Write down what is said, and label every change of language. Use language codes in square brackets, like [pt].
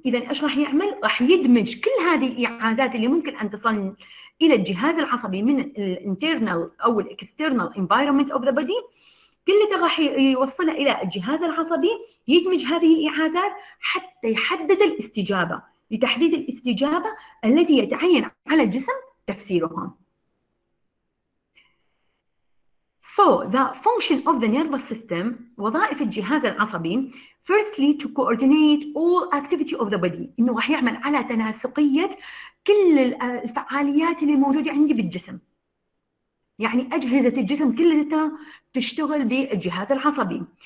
[ar] إذا إيش راح يعمل؟ راح يدمج كل هذه الإعازات اللي ممكن أن تصل إلى الجهاز العصبي من ال internal أو ال [en] external environment of the body، [ar] كلها راح يوصلها إلى الجهاز العصبي، يدمج هذه الإعازات حتى يحدد الاستجابة، لتحديد الاستجابة التي يتعين على الجسم تفسيرها. [en] So the function of the nervous system, [ar] وظائف الجهاز العصبي, [en] firstly to coordinate all activity of the body. [ar] إنه راح يعمل على تناسقية كل الفعاليات اللي موجودة عندي بالجسم. يعني أجهزة الجسم كلها تشتغل بالجهاز العصبي.